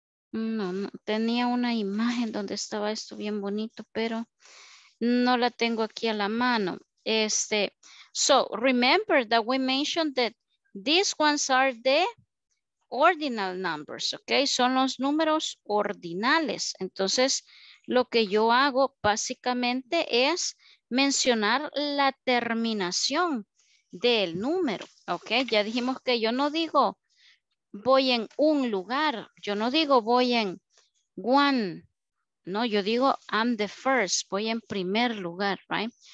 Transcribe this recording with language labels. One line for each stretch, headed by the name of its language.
Spanish: No, tenía una imagen donde estaba esto bien bonito, pero no la tengo aquí a la mano.
English: So remember that we mentioned that these ones are the ordinal numbers, okay?
Spanish: Son los números ordinales. Entonces, lo que yo hago básicamente es mencionar la terminación del número, ok. Ya dijimos que yo no digo voy en un lugar, yo no digo voy en one, no, yo digo
English: I'm the first,
Spanish: voy en primer lugar, right?